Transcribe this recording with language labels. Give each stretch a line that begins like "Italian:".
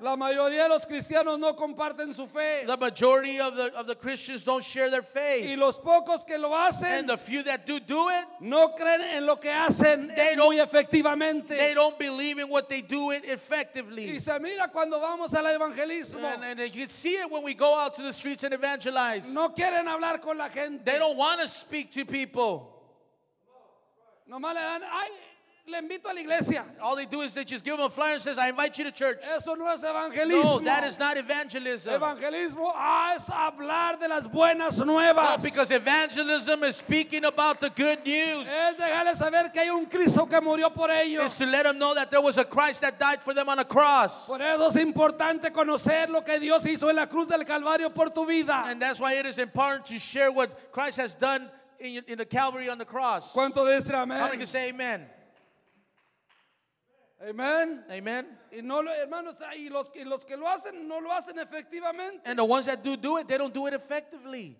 Spanish: La mayoría de los cristianos no comparten su fe.
English: The majority of the Christians don't share their faith.
Spanish: Y los pocos que lo hacen,
English: and the few that do it,
Spanish: no creen en lo que hacen muy efectivamente.
English: They don't believe in what they do it effectively.
Spanish: Y se mira cuando vamos al evangelismo.
English: And you can see it when we go out to the streets and evangelize.
Spanish: No quieren hablar con la gente.
English: They don't want to speak to people.
Spanish: Nomás le dan, ay. Le invito a la iglesia.
English: All they do is they just give them a flyer and says, I invite you to church.
Spanish: Eso no es evangelismo.
English: No, that is not evangelism.
Spanish: Evangelismo es hablar de las buenas nuevas.
English: No, because evangelism is speaking about the good news.
Spanish: Es dejarles saber que hay un Cristo que murió por ellos.
English: It's to let them know that there was a Christ that died for them on a cross.
Spanish: Por eso es importante conocer lo que Dios hizo en la cruz del Calvario por tu vida.
English: And that's why it is important to share what Christ has done in the Calvary on the cross.
Spanish: ¿Cuánto dice amén?
English: How many can say amen? Amen. Amen.
Spanish: Y no, hermanos, y los que lo hacen no lo hacen efectivamente.
English: And the ones that do it, they don't do it effectively.